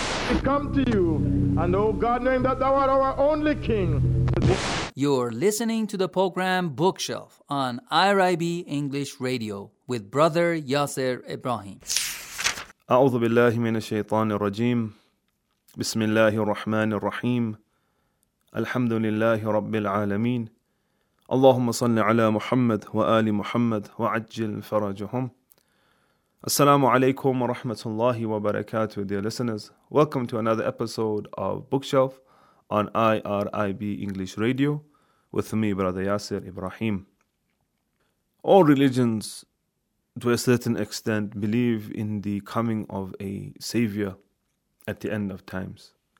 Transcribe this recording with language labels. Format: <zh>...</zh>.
<en>We come to you, and O God, knowing that thou art our only King. You're listening to the program Bookshelf on IRIB English Radio with Brother Yasser Ibrahim.</en> <ar>أعوذ بالله من الشيطان الرجيم بسم الله الرحمن الرحيم الحمد لله رب العالمين اللهم صل على محمد وآل محمد وعجل فرجهم السلام عليكم ورحمة الله وبركاته</ar> <en>dear listeners. Welcome to another episode of Bookshelf on IRIB English Radio with me, Brother Yasser Ibrahim. All religions, to a certain extent, believe in the coming of a savior at the end of times.</en>